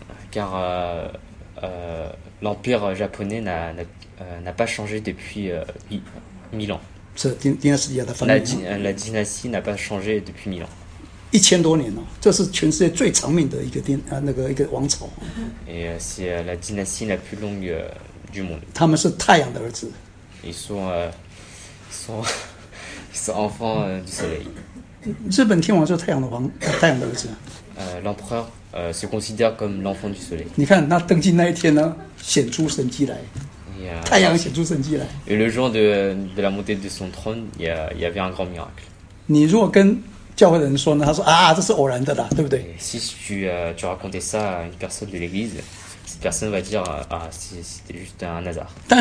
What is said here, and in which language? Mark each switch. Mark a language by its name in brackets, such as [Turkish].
[French] Car l'empire japonais n'a pas changé depuis 1000 ans. La dynastie n'a pas changé depuis 1000 ans. [Chinese] 1000多年,这是全世界最长命的一个王朝. [French] Et c'est la dynastie la plus longue du monde. [Chinese] 他们是太阳的儿子. [French] Ils sont enfants du soleil. [Chinese] 日本天王就是太阳的王, 太阳的儿子. [French] L'empereur se considère comme l'enfant du soleil. [Chinese] 你看, 那登基那一天呢, 显出神迹来, [French] et, [Chinese] 太阳显出神迹来. [French] Et le jour de la montée de son trône, il y avait un grand miracle. [Chinese] 你如果跟教会的人说呢, 他说, 啊, 这是偶然的啦, 对不对? [French] Si tu racontais ça à une personne de l'église, cette personne va dire ah, c'était juste un hasard.